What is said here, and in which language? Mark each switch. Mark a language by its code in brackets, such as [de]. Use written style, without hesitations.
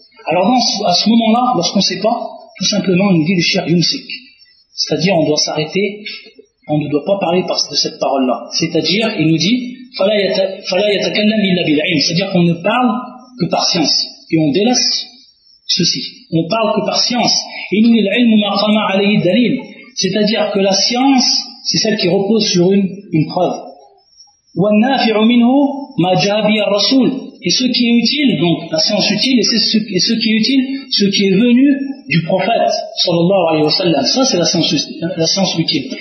[fr] Alors non, à ce moment-là, lorsqu'on ne sait pas, tout simplement, on nous dit le shir yumsik. C'est-à-dire, on doit s'arrêter, on ne doit pas parler de cette parole-là. C'est-à-dire, il nous dit, [ar] فَلَا يَتَكَلَّمْ إِلَّا بِالْعِلْمِ. [fr] C'est-à-dire qu'on ne parle que par science. Et on délaisse ceci. On ne parle que par science. Et nous, [ar] الْعِلْمُ مَا قَمَا عَلَيْهِ الدَّلِيلِ. [fr] C'est-à-dire que la science, c'est celle qui repose sur une preuve. [ar] وَالنَّافِعُ مِنْهُ مَا جَاءَ بِهِ الرَّسُولُ. [fr] et ce qui est utile, donc la science utile, et ce qui est utile, ce qui est venu du prophète sallallahu alayhi wa sallam. Ça c'est la science utile.